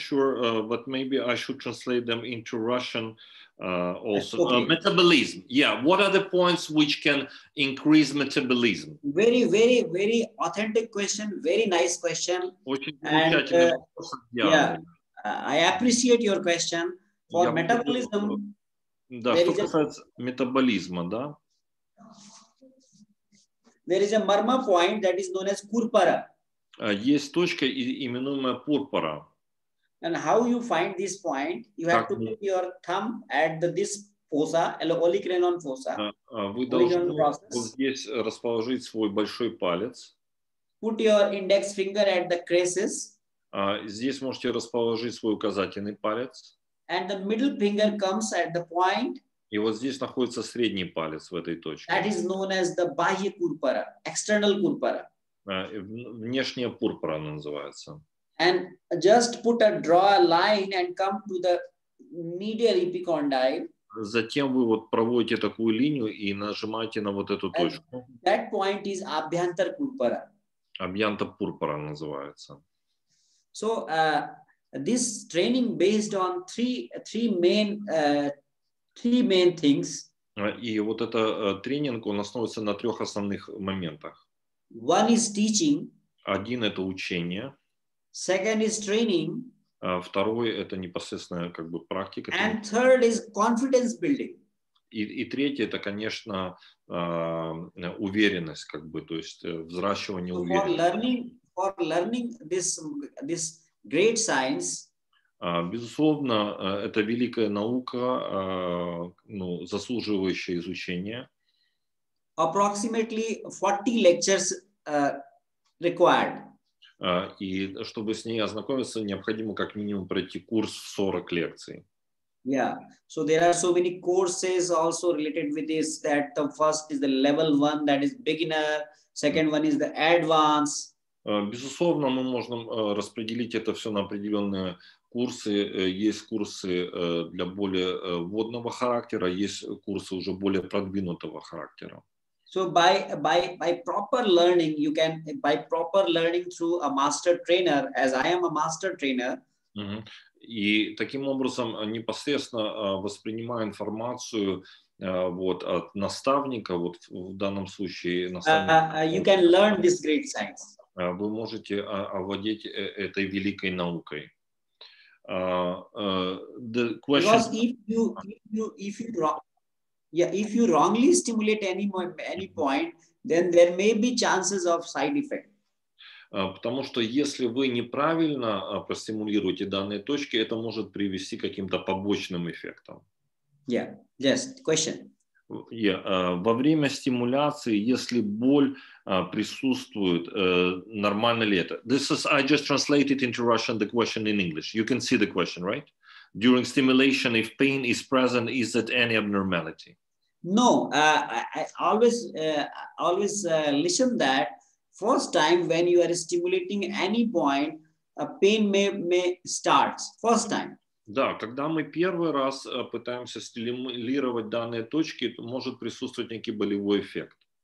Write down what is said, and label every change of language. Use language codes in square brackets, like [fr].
[en] Sure, but maybe I should translate them into Russian also. Okay. Metabolism. Yeah, what are the points which can increase metabolism? Very, very, very authentic question, very nice question. And, I appreciate your question. For metabolism... [ru] Да, что касается метаболизма, да? [en] There is a Marma point that is known as Kurpara. [ru] Есть точка, именуемая пурпура. [en] And how you find this point? You have to put your thumb at this fossa, olecranon fossa. [ru] Вы должны здесь расположить свой большой палец. [en] Put your index finger at the crisis. [ru] Здесь можете расположить свой указательный палец. [en] And the middle finger comes at the point. [ru] И вот здесь находится средний палец в этой точке. [en] That is known as the bahya purpura, external purpura. [ru] Внешняя пурпура она называется. [en] And just put a draw a line and come to the medial epicondyle. [ru] Затем вы вот проводите такую линию и нажимаете на вот эту точку. [en] And that point is abhyantar purpura. [ru] Abhyanta purpura называется. [en] So this training based on three main things. [ru] И вот это тренинг он основывается на трех основных моментах. [en] One is teaching. [ru] Один это учение. [en] Second is training. [ru] Второй это непосредственно как бы практика. [en] And third is confidence building. [ru] И третье это конечно уверенность как бы, то есть взращивание уверенности. [en] For learning this great science. [ru] Безусловно, это великая наука, ну, заслуживающая изучения. [en] Approximately 40 lectures required. [ru] И чтобы с ней ознакомиться, необходимо как минимум пройти курс 40 лекций. [en] Yeah, so there are so many courses also related with this, that the first is the level one, that is beginner, second one is the advanced. [ru] Безусловно, мы можем распределить это все на определенные курсы. Есть курсы для более вводного характера, есть курсы уже более продвинутого характера. [en] So by proper learning, you can, by proper learning through a master trainer, as I am a master trainer. Mm-hmm. [ru] И таким образом непосредственно воспринимая информацию вот от наставника, вот в данном случае наставника. [en] You can learn this great science. [ru] Вы можете овладеть этой великой наукой. [en] The question. Because if you wrongly stimulate any point, then there may be chances of side effect. [ru] Потому что если вы неправильно простимулируете данные точки, это может привести к каким-то побочным эффектам. [en] Yeah. Yes. Question. [ru] Во время стимуляции, если боль присутствует, нормально ли это? [en] This is, I just translated into Russian the question in English. You can see the question, right? During stimulation, if pain is present, is that any abnormality? No, I always listen that first time when you are stimulating any point, a pain may start first time. [ru] Да, когда мы первый раз пытаемся стимулировать данные точки, то может присутствовать некий болевой эффект.